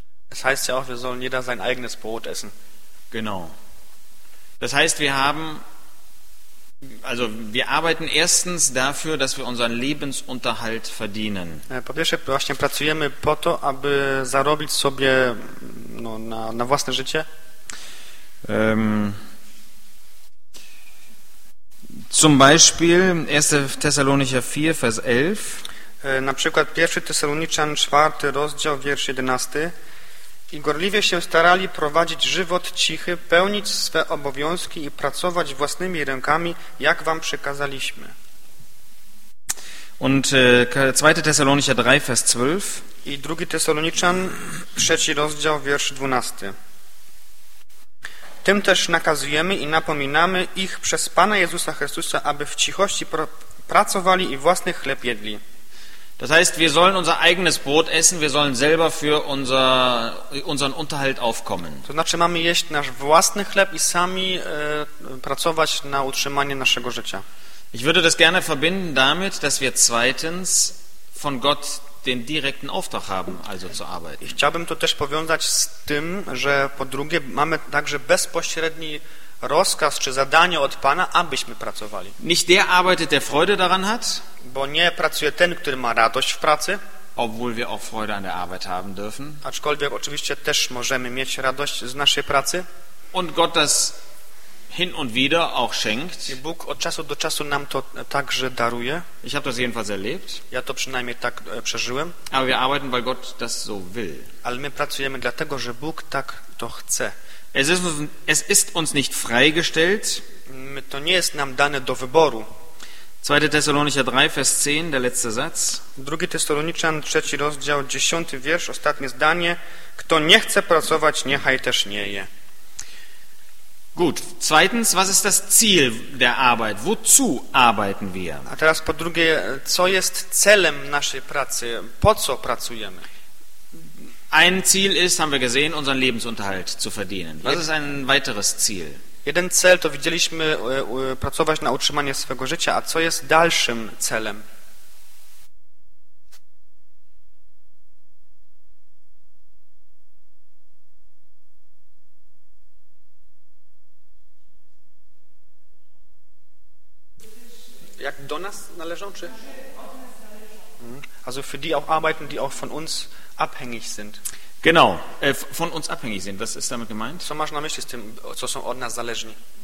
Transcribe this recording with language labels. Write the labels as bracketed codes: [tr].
[de] Es heißt ja auch, wir sollen jeder sein eigenes Brot essen. Genau. Das heißt, wir haben, also wir arbeiten erstens dafür, dass wir unseren Lebensunterhalt verdienen. [pl] Po pierwsze, właśnie pracujemy po to, aby zarobić sobie no, na własne życie. [de] Zum Beispiel 1. Thessalonicher 4, Vers 11. [pl] Na przykład 1. Thessaloniczan 4, rozdział, wiersz 11. I gorliwie się starali prowadzić żywot cichy, pełnić swe obowiązki i pracować własnymi rękami, jak wam przekazaliśmy. [de] Und 2. Thessalonicher 3, Vers 12. [pl] I 2. Thessaloniczan 3, rozdział, wiersz 12. Tym też nakazujemy i napominamy ich przez Pana Jezusa Chrystusa, aby w cichości pracowali i własny chleb jedli. [de] Das heißt, wir sollen unser eigenes Brot essen, wir sollen selber für unseren Unterhalt aufkommen. [pl] To znaczy, mamy jeść nasz własny chleb i sami pracować na utrzymanie naszego życia. [de] Ich würde das gerne verbinden damit, dass wir zweitens von Gott den direkten Auftrag haben, also zu arbeiten. [pl] Ich chciałbym to też powiązać z tym, że po drugie mamy także bezpośredni rozkaz czy zadanie od Pana, abyśmy pracowali. [de] Nicht der arbeitet, der Freude daran hat. [pl] Bo nie pracuje ten, który ma radość w pracy. [de] Obwohl wir auch Freude an der Arbeit haben dürfen. [pl] Aczkolwiek oczywiście też możemy mieć radość z naszej pracy. [de] Und Gott das hin und wieder auch schenkt. [pl] I Bóg od czasu do czasu nam to także daruje. [de] Ich habe das jedenfalls erlebt. [pl] Ja to przynajmniej tak przeżyłem. [de] Aber wir arbeiten, weil Gott das so will. [pl] Ale my pracujemy dlatego, że Bóg tak to chce. [de] Es ist uns nicht freigestellt. [pl] To nie jest nam dane do wyboru. [de] 2. Thessalonicher 3, Vers 10, der letzte Satz. [pl] 2. Thessaloniczan, 3. rozdział, 10. wiersz, ostatnie zdanie. Kto nie chce pracować, niechaj też nie je. [de] Gut, zweitens, was ist das Ziel der Arbeit? Wozu arbeiten wir? [pl] A teraz po drugie, co jest celem naszej pracy? Po co pracujemy? [de] Ein Ziel ist, haben wir gesehen, unseren Lebensunterhalt zu verdienen. Was ist ein weiteres Ziel? [pl] Jeden cel to widzieliśmy pracować na utrzymanie swego życia, a co jest dalszym celem? Jak do nas należą, czy? [de] Also für die auch arbeiten, die auch von uns abhängig sind. Genau, von uns abhängig sind. Was ist damit gemeint? [pl] Co masz na myśli z tym, co są od nas zależni?